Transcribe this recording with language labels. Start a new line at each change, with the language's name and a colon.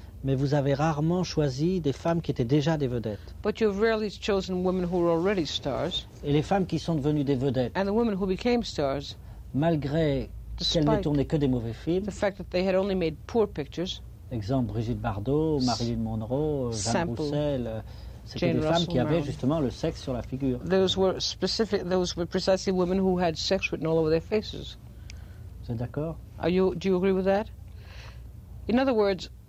French: Mais vous avez rarement choisi des femmes qui étaient déjà des vedettes.
English: But you have rarely chosen women who were already stars.
French: Et les femmes qui sont devenues des vedettes.
English: And the women who became stars.
French: Malgré qu'elles n'aient tourné que des mauvais films.
English: The fact that they had only made poor pictures.
French: Exemple Brigitte Bardot, Marilyn Monroe, Jeanne Roussel. C'était
English: Jane
French: des femmes qui avaient
English: Marilyn.
French: Justement le sexe sur la figure.
English: Those were specific. Those were precisely women who had sex written all over their faces.
French: Vous êtes d'accord?
English: Do you agree with that? In other words.